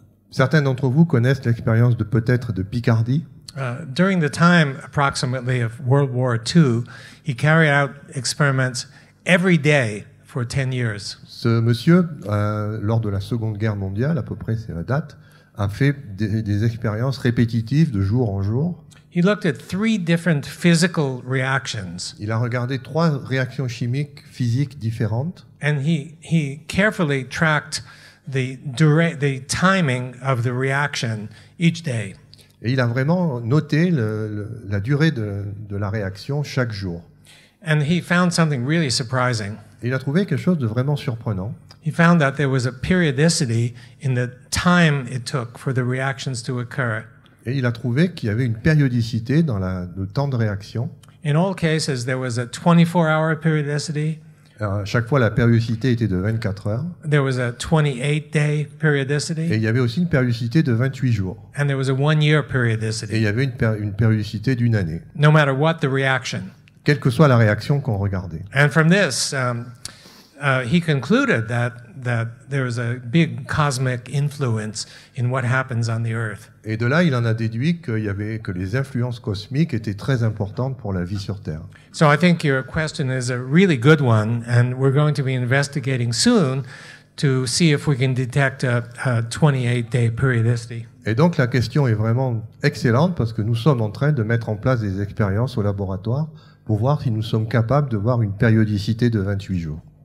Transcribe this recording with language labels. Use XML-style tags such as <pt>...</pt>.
<fr>Certains d'entre vous connaissent l'expérience de peut-être de Picardy.</fr> <en>During the time approximately of World War II, he carried out experiments every day for 10 years.</en> <fr>Ce monsieur, lors de la Seconde Guerre mondiale, à peu près c'est la date, a fait des expériences répétitives de jour en jour.</fr> <en>He looked at three different physical reactions.</en> <fr>Il a regardé trois réactions chimiques physiques différentes.</fr> <en>And he carefully tracked the timing of the reaction each day.</en> <fr>Et il a vraiment noté la durée de la réaction chaque jour.</fr> <en>And he found something really surprising.</en> <fr>Et il a trouvé quelque chose de vraiment surprenant.</fr> <en>He found that there was a periodicity in the time it took for the reactions to occur.</en> <fr>Et il a trouvé qu'il y avait une périodicité dans le temps de réaction.</fr> <en>In all cases, there was a 24-hour periodicity.</en> <fr>Chaque fois, la périodicité était de 24 heures.</fr> <en>There was a 28-day periodicity.</en> <fr>Et il y avait aussi une périodicité de 28 jours.</fr> <en>And there was a one-year periodicity.</en> <fr>Et il y avait une périodicité d'une année.</fr> <en>No matter what the reaction.</en> <fr>Quelle que soit la réaction qu'on regardait.</fr> <en>And from this, he concluded that there is a big cosmic influence in what happens on the Earth.</en> <fr>Et de là, il en a déduit que les influences cosmiques étaient très importantes pour la vie sur Terre.</fr> <en>So I think your question is a really good one, and we're going to be investigating soon to see if we can detect a 28-day periodicity.</en> <fr>Et donc la question est vraiment excellente parce que nous sommes en train de mettre en place des expériences au laboratoire pour voir si nous sommes capables de voir une périodicité de 28 jours.</fr>